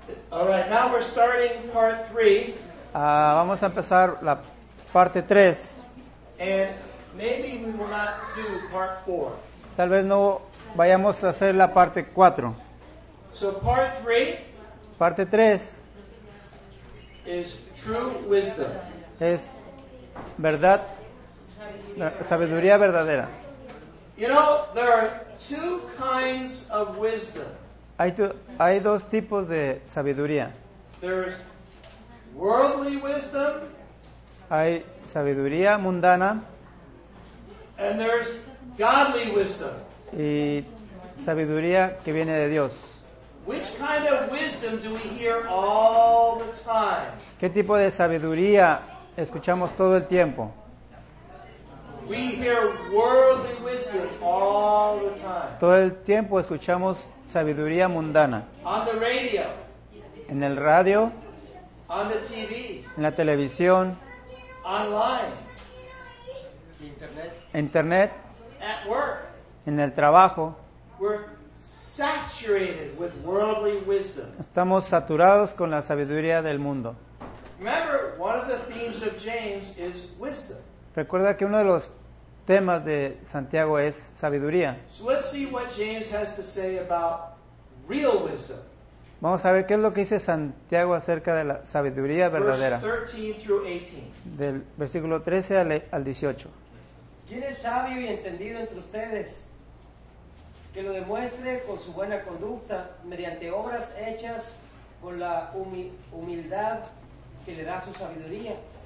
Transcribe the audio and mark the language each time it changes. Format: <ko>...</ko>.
<en>All right, now we're starting part 3.</en> <es>Vamos a empezar la parte 3.</es> <en>And maybe we will not do part 4.</en> <es>Tal vez no vayamos a hacer la parte 4.</es> <en>So part 3.</en> <es>Parte 3.</es> <en>Is true wisdom.</en> <es>Es verdad, sabiduría verdadera.</es> <en>You know, there are two kinds of wisdom.</en> <es>Hay dos tipos de sabiduría.</es> <en>There's worldly wisdom.</en> <es>Hay sabiduría mundana.</es> <en>And there's godly wisdom.</en> <es>Y sabiduría que viene de Dios.</es> <en>Which kind of wisdom do we hear all the time?</en> <es>¿Qué tipo de sabiduría escuchamos todo el tiempo?</es> <en>We hear worldly wisdom all the time.</en> <es>Todo el tiempo escuchamos sabiduría mundana.</es> <en>On the radio.</en> <es>En el radio.</es> <en>On the TV.</en> <es>En la televisión.</es> <en>Online.</en> <es>Internet.</es> <en>At work.</en> <es>En el trabajo.</es> <en>We're saturated with worldly wisdom.</en> <es>Estamos saturados con la sabiduría del mundo.</es> <en>Remember, one of the themes of James is wisdom.</en> <es>Recuerda que uno de los temas de Santiago es sabiduría.</es> <en>So let's see what James has to say about real wisdom.</en> <es>Vamos a ver qué es lo que dice Santiago acerca de la sabiduría verdadera.</es> <en>Verse 13 through 18.</en> <es>Del versículo 13 al 18. ¿Quién es sabio y entendido entre ustedes? Que lo demuestre con su buena conducta, mediante obras hechas con la humildad que le da su sabiduría.</es>